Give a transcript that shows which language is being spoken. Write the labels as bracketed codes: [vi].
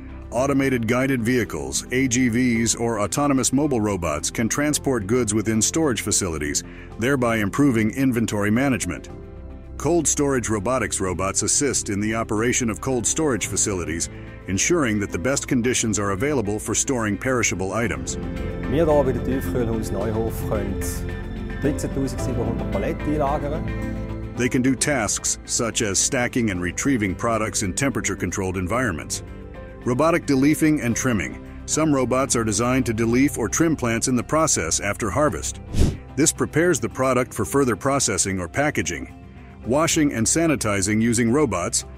[en] Automated guided vehicles, AGVs, or autonomous mobile robots can transport goods within storage facilities, thereby improving inventory management. Cold storage robotics robots assist in the operation of cold storage facilities, ensuring that the best conditions are available for storing perishable items. [de] Wir hier bei der Tiefkühlhaus Neuhof können 13.700 Paletten einlagern. [en] They can do tasks such as stacking and retrieving products in temperature-controlled environments. Robotic deleafing and trimming. Some robots are designed to deleaf or trim plants in the process after harvest. This prepares the product for further processing or packaging. Washing and sanitizing using robots.